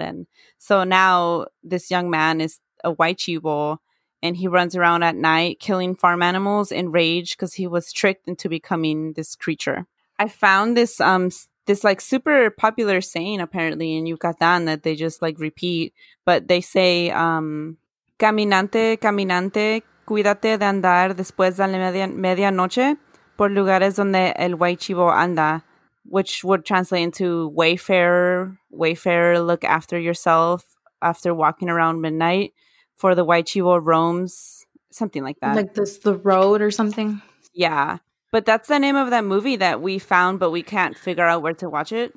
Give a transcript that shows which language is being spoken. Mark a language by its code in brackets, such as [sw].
[en] And so now this young man is a white chivo. And he runs around at night killing farm animals in rage because he was tricked into becoming this creature. I found this this like super popular saying apparently in Yucatan that they just like repeat. But they say, [es] caminante, caminante, cuídate de andar después de la medianoche por lugares donde el guay chivo anda. [en] Which would translate into wayfarer, look after yourself after walking around midnight. For the white chivo roams, something like that. Like this, the road or something? Yeah. But that's the name of that movie that we found, but we can't figure out where to watch it.